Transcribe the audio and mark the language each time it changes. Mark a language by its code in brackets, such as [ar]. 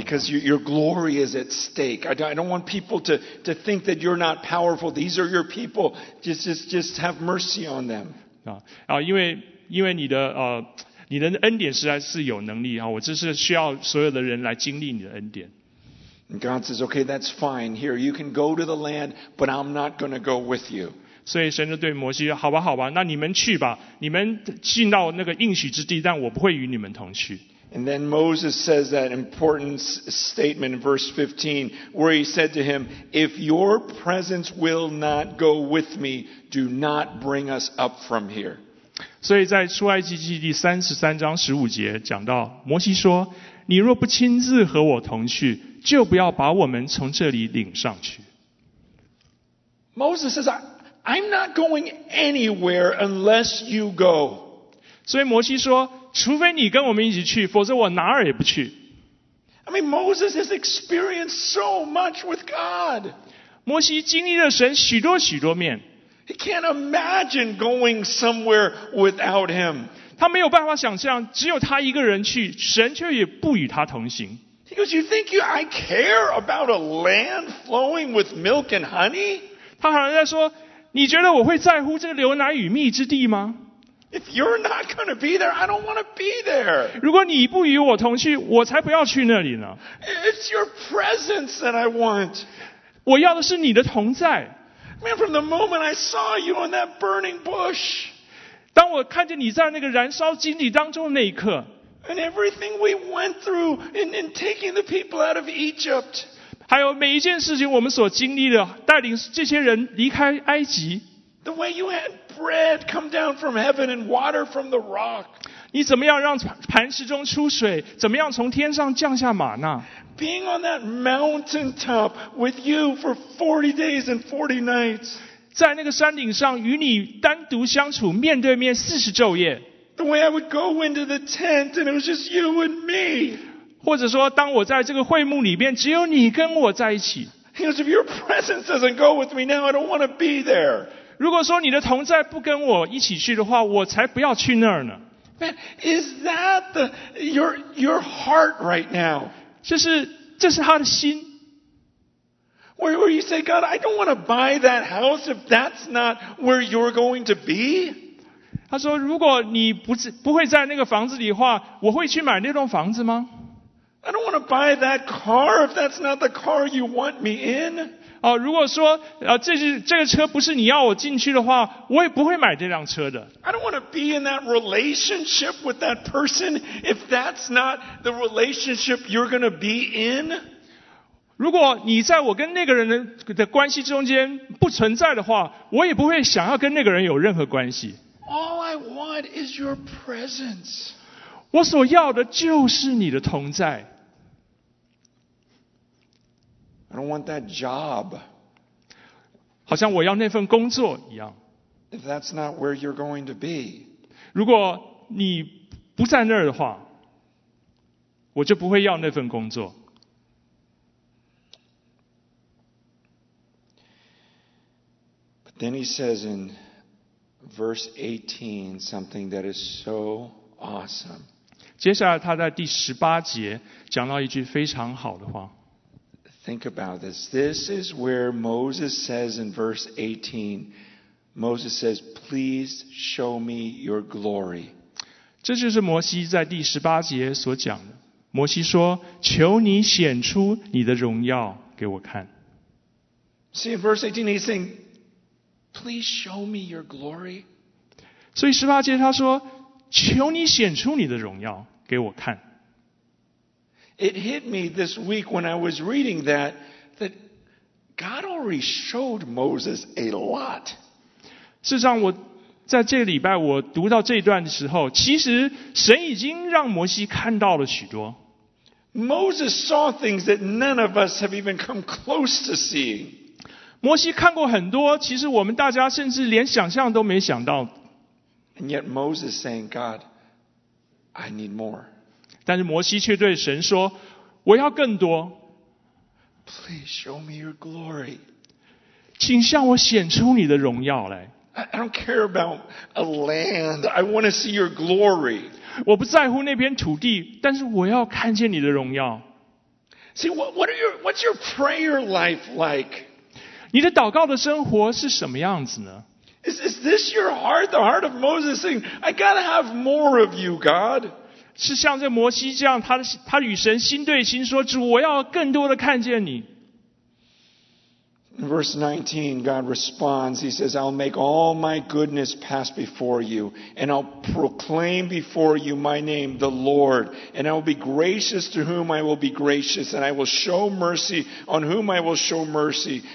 [en] Because your glory is at stake. I don't want people to think that you're not powerful. These are your people. Just have mercy on them. [zh] 因为你的恩典实在是有能力我这是需要所有的人来经历你的恩典。 [en] And God says, okay, that's fine. Here, you can go to the land, but I'm not going to go with you. [zh] 所以神就对摩西说，好吧，好吧，那你们去吧。你们进到那个应许之地，但我不会与你们同去。 [en] And then Moses says that important statement in verse 15, where he said to him, if your presence will not go with me, do not bring us up from here. [zh] 所以在出埃及记第33章15节讲到，摩西说，你若不亲自和我同去，就不要把我们从这里领上去。 [en] Moses says, I'm not going anywhere unless you go. [zh] 所以摩西说，除非你跟我们一起去，否则我哪儿也不去。 [en] I mean, Moses has experienced so much with God. [zh] 摩西经历了神许多许多面。 [en] He can't imagine going somewhere without him. [zh] 他没有办法想象，只有他一个人去，神却也不与他同行。 [en] He goes, you think I care about a land flowing with milk and honey? [zh] 他好像在说，你觉得我会在乎这个牛奶与蜜之地吗？ [en] If you're not going to be there, I don't want to be there. [zh] 如果你不与我同去，我才不要去那里呢。 [en] It's your presence that I want. [zh] 我要的是你的同在。 [en] Man, from the moment I saw you on that burning bush. [zh] 当我看见你在那个燃烧荆棘当中的那一刻。 [en] And everything we went through in taking the people out of Egypt. [zh] 还有每一件事情我们所经历的，带领这些人离开埃及。 [en] The way you had bread come down from heaven and water from the rock. [zh] 你怎么样让磐石中出水？怎么样从天上降下玛纳？ [en] Being on that mountain top with you for 40 days and 40 nights. [zh] 在那个山顶上与你单独相处，面对面40昼夜。 [en] The way I would go into the tent and it was just you and me. [zh] 或者说当我在这个会幕里面只有你跟我在一起。 [en] He goes, if your presence doesn't go with me now, I don't want to be there. [zh] 如果说你的同在不跟我一起去的话，我才不要去那儿呢。 [en] Man, is that your heart right now? [zh] 这是他的心。 [en] Where you say, God, I don't want to buy that house if that's not where you're going to be. [zh] 他说，如果你不会在那个房子里的话，我会去买那栋房子吗？ [en] I don't want to buy that car if that's not the car you want me in. [zh] 如果说这个车不是你要我进去的话，我也不会买这辆车的。 [en] I don't want to be in that relationship with that person if that's not the relationship you're going to be in. [zh] 如果你在我跟那个人的关系中间不存在的话，我也不会想要跟那个人有任何关系。 [en] All I want is your presence. [zh] 我所要的就是你的同在。 [en] I don't want that job. [zh] 好像我要那份工作一样。 [en] If that's not where you're going to be. [zh] 如果你不在那儿的话，我就不会要那份工作。 [en] Then he says in verse 18 something that is so awesome. [zh] 接下来他在第十八节讲到一句非常好的话。 [en] Think about this. This is where Moses says in verse 18, Moses says, please show me your glory. [zh] 这就是摩西在第十八节所讲的。摩西说，求你显出你的荣耀给我看。 [en] See, in verse 18 he's saying,Please show me your glory. [zh] 所以十八节他说，求你显出你的荣耀给我看。 [en] It hit me this week when I was reading that God already showed Moses a lot. [zh] 事实上我在这个礼拜我读到这一段的时候，其实神已经让摩西看到了许多。 [en] Moses saw things that none of us have even come close to seeing. [zh] 摩西看过很多，其实我们大家甚至连想象都没想到。 [en] And yet Moses saying, God, I need more. [zh] 但是摩西却对神说，我要更多。 [en] Please show me your glory. [zh] 请向我显出你的荣耀来。 [en] I don't care about a land. I want to see your glory. [zh] 我不在乎那片土地，但是我要看见你的荣耀。 [en] See, what's your prayer life like? [zh] 你的祷告的生活是什么样子呢？ [en] Is this your heart, the heart of Moses saying, I gotta have more of you, God? [zh] 是像这摩西这样，他与神心对心说，主，我要更多的看见你。 [en] Verse 19, God responds, he says, I'll make all my goodness pass before you, and I'll proclaim before you my name, the Lord, and I will be gracious to whom I will be gracious, and I will show mercy on whom I will show mercy.